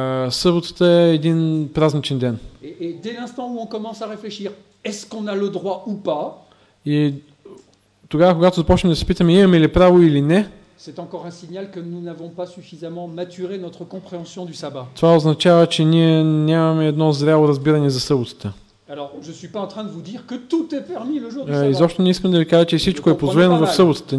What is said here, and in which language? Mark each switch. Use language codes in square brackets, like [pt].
[bg] Съботата е един празничен ден. [fr] Et dès l'instant où on commence à réfléchir, est-ce qu'on a le droit ou pas? [bg] И тогава, когато започнем да се питаме, имаме ли право или не? [fr] C'est encore un signal que nous n'avons pas suffisamment maturé notre compréhension du sabbat. [bg] Това означава, че ние нямаме едно зряло разбиране за съботата. [fr] Alors, je ne suis pas en train de vous dire que tout est permis le jour du sabbat. [bg] Изобщо не искам да ви кажа, че всичко е позволено в съботата.